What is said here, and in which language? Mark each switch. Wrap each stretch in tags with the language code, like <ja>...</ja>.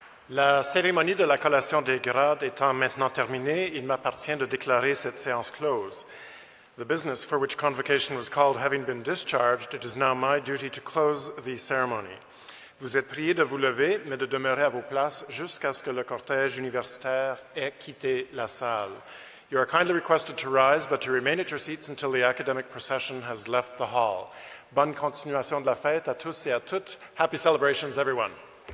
<fr>La cérémonie de la collation des grades étant maintenant terminée, il m'appartient de déclarer cette séance close.</fr> <en>The business for which convocation was called having been discharged, it is now my duty to close the ceremony.</en> <fr>Vous êtes priés de vous lever, mais de demeurer à vos places jusqu'à ce que le cortège universitaire ait quitté la salle.</fr> <en>You are kindly requested to rise, but to remain at your seats until the academic procession has left the hall.</en> <fr>Bonne continuation de la fête à tous et à toutes.</fr> <en>Happy celebrations, everyone.</en>